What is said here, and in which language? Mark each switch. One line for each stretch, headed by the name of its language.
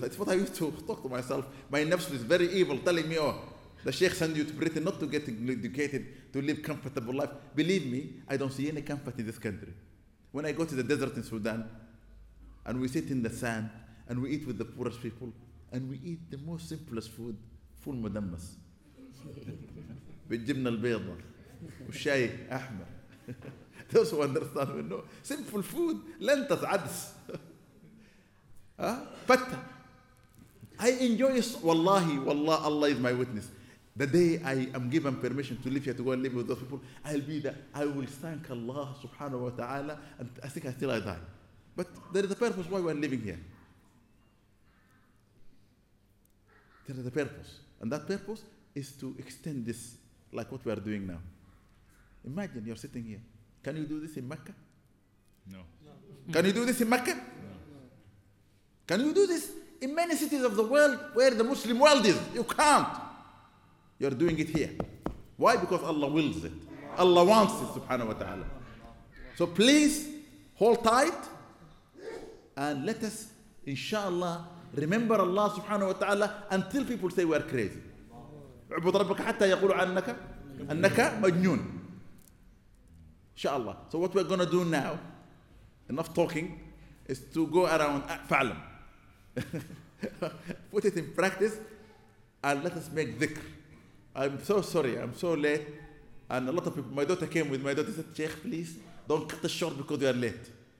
English: That's what I used to talk to myself. My nafs is very evil, telling me, oh, the sheikh sent you to Britain not to get educated, to live comfortable life. Believe me, I don't see any comfort in this country. When I go to the desert in Sudan, and we sit in the sand, and we eat with the poorest people, and we eat the most simplest food, full mudammas.
Arabic: بالجبنة البيضة والشاي أحمر.
English: Those who understand will know. Simple food, lentas, عدس. فتة. I enjoy, wallahi, wallah, Allah is my witness. The day I am given permission to live here, to go and live with those people, I'll be there. I will thank Allah subhanahu wa ta'ala, and I think until I die. But there is a purpose why we are living here. There is a purpose. And that purpose is to extend this, like what we are doing now. Imagine you're sitting here. Can you do this in Mecca? No. Can you do this in Mecca? No. Can you do this in many cities of the world where the Muslim world is? You can't. You're doing it here. Why? Because Allah wills it. Allah wants it, subhanahu wa ta'ala. So please, hold tight, and let us, inshallah, remember Allah subhanahu wa ta'ala until people say we're crazy.
Arabic: عبد ربك حتى يقول عنك أنك مجنون.
English: Inshallah. So what we're going to do now, enough talking, is to go around, فعلم. Put it in practice, and let us make dhikr. I'm so sorry, I'm so late. And a lot of people, my daughter came with my daughter, said, Sheikh, please, don't cut the short because you are late.